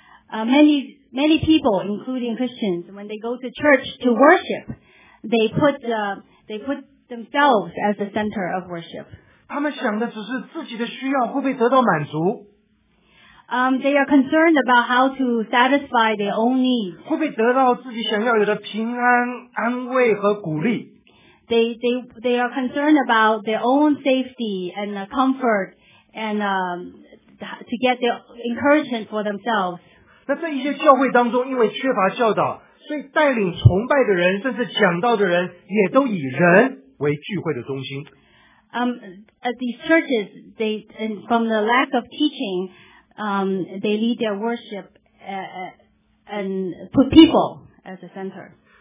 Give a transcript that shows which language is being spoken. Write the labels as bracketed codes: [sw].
[en] many people, including Christians, when they go to church to worship, they put themselves as the center of worship. [zh] 他们想的只是自己的需要会不会得到满足。 [en] They are concerned about how to satisfy their own needs. [zh] 会不会得到自己想要有的平安、安慰和鼓励。 [en] They are concerned about their own safety and comfort and to get the encouragement for themselves. [zh] 那在一些教会当中，因为缺乏教导，所以带领崇拜的人，甚至讲道的人，也都以人为聚会的中心。 [en] At these churches, they and from the lack of teaching, they lead their worship and put people as the center.